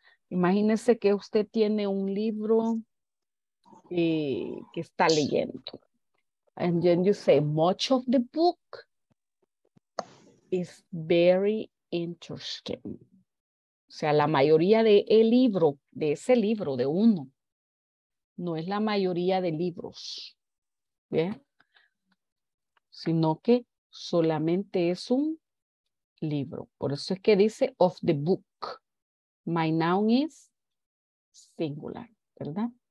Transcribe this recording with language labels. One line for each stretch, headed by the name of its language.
Spanish: Imagínese que usted tiene un libro que está leyendo.
English: And then you say, much of the book is very interesting.
Spanish: O sea, la mayoría de el libro, de ese libro, de uno, no es la mayoría de libros, ¿bien? Sino que solamente es un libro. Por eso es que dice
English: of the book. My noun is singular,
Spanish: ¿verdad?